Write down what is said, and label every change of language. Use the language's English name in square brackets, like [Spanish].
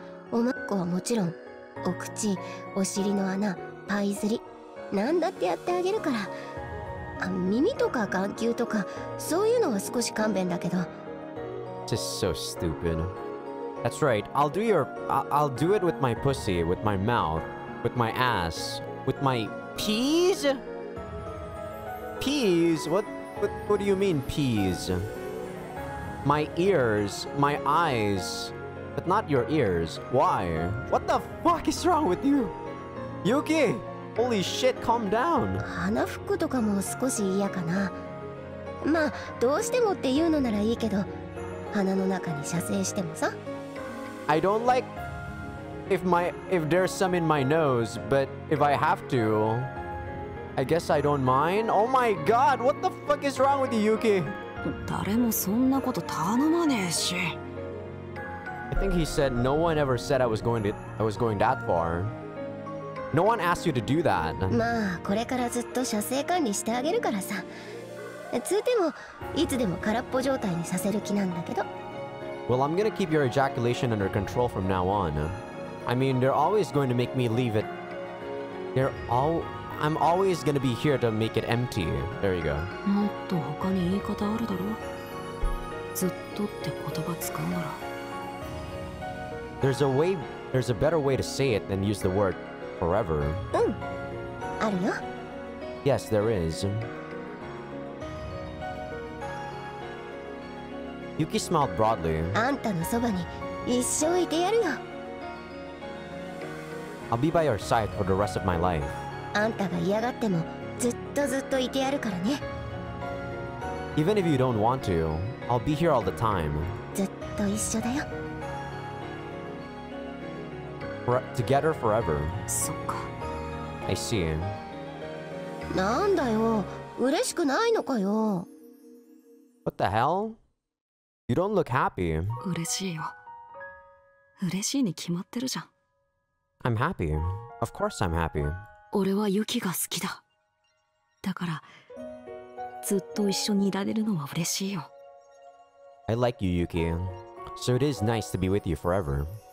[Japanese] おまっこはもちろん、お口、お尻の穴、パイズリ、何だってやってあげるから。あ、耳とか眼球とかそういうのは少し勘弁だけど。 [English] This is so stupid. That's right. I'll do it with my pussy, with my mouth, with my ass, with my peas. Peas? What do you mean peas? My ears, my eyes, but not your ears. Why? What the fuck is wrong with you, Yuki? Holy shit, calm down! [Japanese] 花服とかも少し嫌かな。まあ、どうしてもって言うのならいいけど、花の中に射精してもさ。 [English] I don't like if there's some in my nose, but if I have to, I guess I don't mind? Oh my god, what the fuck is wrong with you, Yuki? [Japanese] 誰もそんなこと頼まねえし。 [English] I think he said no one ever said I was going that far. No one asked you to do that. [Japanese] まあ、これからずっと射精管理してあげるからさ。ついても、いつでも空っぽ状態にさせる気なんだけど。 [English] Well, I'm gonna keep your ejaculation under control from now on. I mean, they're always going to make me leave it. They're all... I'm always gonna be here to make it empty. There you go. [Japanese] もっと他に言い方あるだろう。ずっとって言葉使うなら。 [English] There's a better way to say it than use the word forever. [Japanese] うん。あるよ。 [English] Yes, there is. Yuki smiled broadly. [Japanese] あんたのそばに一生いてやるよ。 [English] I'll be by your side for the rest of my life. [Japanese] あんたが嫌がってもずっとずっといてやるからね。 [English] Even if you don't want to, I'll be here all the time. [Japanese] ずっと一緒だよ。 [English] Together forever. [Japanese] そっか。 [English] I see. [Japanese] なんだよ、嬉しくないのかよ。 [English] What the hell? You don't look happy. [Japanese] 嬉しいよ。嬉しいに決まってるじゃん。 [English] I'm happy. Of course I'm happy. [Japanese] 俺はユキが好きだ。だから、ずっと一緒にいられるのは嬉しいよ。 [English] I like you, Yuki. So it is nice to be with you forever.